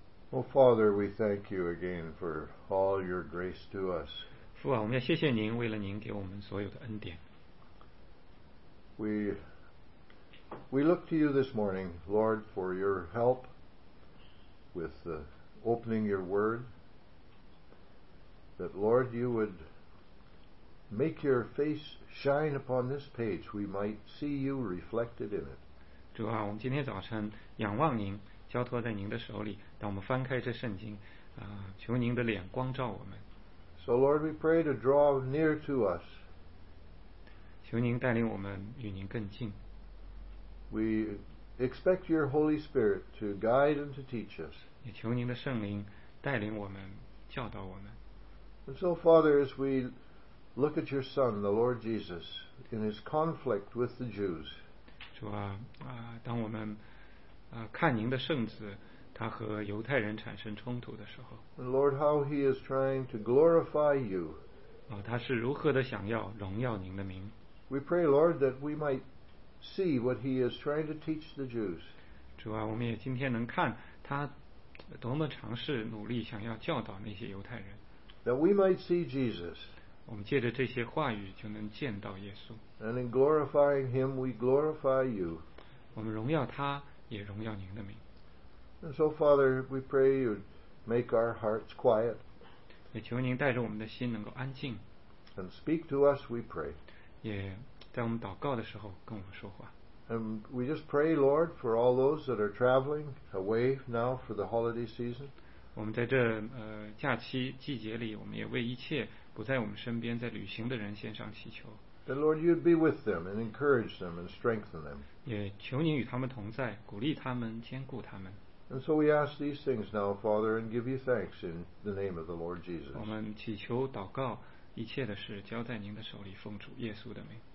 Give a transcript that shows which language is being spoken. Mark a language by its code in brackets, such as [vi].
[en] Well, Father, we thank you again for all your grace to us. [zh] 父啊，我们要谢谢您，为了您给我们所有的恩典。 [en] We look to you this morning, Lord, for your help with opening your word, that, Lord, you would make your face shine upon this page, we might see you reflected in it. [zh] 主啊，我们今天早晨仰望您，交托在您的手里，当我们翻开这圣经，求您的脸光照我们。 [en] So, Lord, we pray to draw near to us. [zh] 求您带领我们与您更近。 [en] We expect your Holy Spirit to guide and to teach us. [zh] 也求您的圣灵带领我们，教导我们。 [en] And so, Father, as we look at your Son, the Lord Jesus, in his conflict with the Jews. [zh] 主啊，当我们看您的圣子，他和犹太人产生冲突的时候。 [en] And Lord, how he is trying to glorify you. [zh] 他是如何的想要荣耀您的名。 [en] We pray, Lord, that we might see what he is trying to teach the Jews. [zh] 主啊，我们也今天能看他多么尝试努力想要教导那些犹太人。 [en] That we might see Jesus. [zh] 我们借着这些话语就能见到耶稣。 [en] And in glorifying him, we glorify you. [zh] 我们荣耀他，也荣耀您的名。 [en] And so, Father, we pray you'd make our hearts quiet. [zh] 也求您带着我们的心能够安静。 [en] And speak to us, we pray. [zh] 也在我们祷告的时候跟我们说话。 [en] And we just pray, Lord, for all those that are traveling away now for the holiday season. [zh] 我们在这假期季节里，我们也为一切不在我们身边在旅行的人献上祈求。 [en] That Lord, you'd be with them and encourage them and strengthen them. [zh] 也求您与他们同在，鼓励他们，坚固他们。 [en] And so we ask these things now, Father, and give you thanks in the name of the Lord Jesus. [zh] 我们祈求祷告，一切的事交在您的手里，奉主耶稣的名。